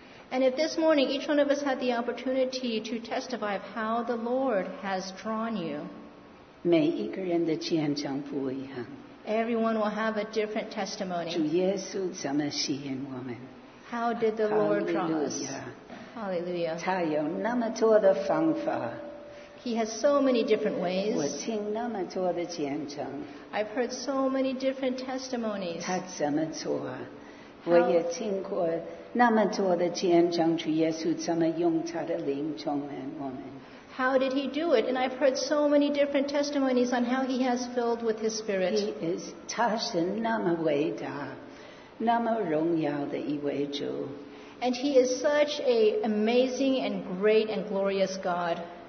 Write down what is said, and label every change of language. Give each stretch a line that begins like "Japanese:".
English: And if this morning each one of us had the opportunity to testify of how the Lord has drawn you,
Chinese: 每一个人的见证不一样。
English: Everyone will have a different testimony.
Chinese: 主耶稣怎么吸引我们？
English: How did the Lord draw us? Hallelujah.
Chinese: 他有那么多的方法。
English: He has so many different ways.
Chinese: 我听那么多的见证。
English: I've heard so many different testimonies.
Chinese: 他怎么做？我也听过那么多的见证，主耶稣怎么用他的灵充满我们。
English: How did he do it? And I've heard so many different testimonies on how he has filled with his spirit. He is
Chinese: 他是那么伟大，那么荣耀的一位主。
English: And he is such an amazing and great and glorious God.